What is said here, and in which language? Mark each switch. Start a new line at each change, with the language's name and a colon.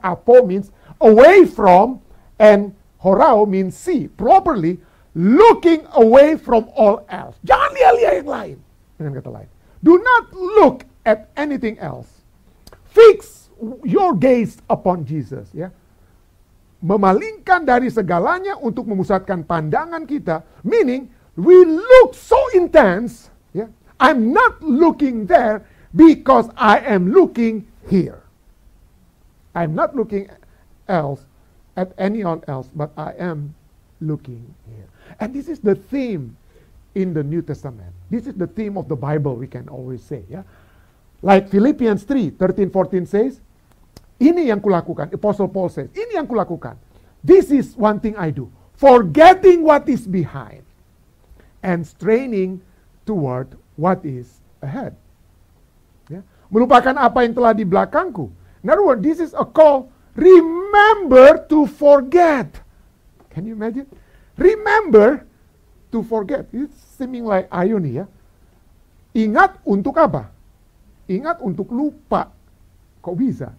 English: Apho means away from and horao means see. Properly, looking away from all else.
Indonesian: Jangan lihat-lihat yang lain. Dengan kata lain.
English: Do not look at anything else. Fix your gaze upon Jesus. Ya.
Indonesian: Memalingkan dari segalanya untuk memusatkan pandangan kita.
English: Meaning, we look so intense. Ya. I'm not looking there because I am looking here. I'm not looking else at anyone else, but I am looking here. And this is the theme in the New Testament. This is the theme of the Bible, we can always say. Yeah?
Indonesian: Like Philippians 3, 13, 14 says, ini yang kulakukan,
English: Apostle Paul says,
Indonesian: ini yang kulakukan.
English: This is one thing I do. Forgetting what is behind and straining toward what is ahead. Yeah.
Indonesian: Melupakan apa yang telah di belakangku.
English: In other words, this is a call. Remember to forget. Can you imagine? Remember to forget. It's seeming like irony. Yeah?
Indonesian: Ingat untuk apa? Ingat untuk lupa. Kok bisa?